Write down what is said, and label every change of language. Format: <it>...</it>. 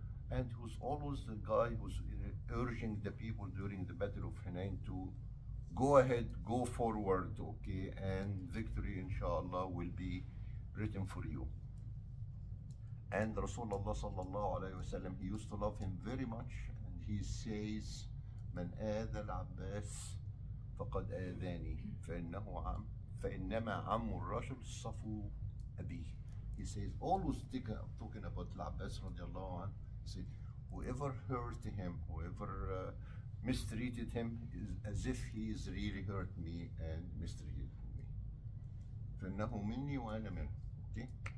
<en>And he was always the guy who was urging the people during the Battle of Hunayn to go ahead, go forward, okay, and victory, inshallah, will be written for you. And Rasulullah sallallahu alayhi wa sallam, he used to love him very much. And he says,</en> <ar>من آذى العباس فقد آذاني فإنه عم فإنما عم الرجل صفو أبي.</ar> <en>He says, always talking about العباس radiallahu anhu, he said, whoever hurt him, whoever mistreated him, is as if he is really hurt me and mistreated me.</en> <ar>فإنه مني وأنا منه. Okay?</ar>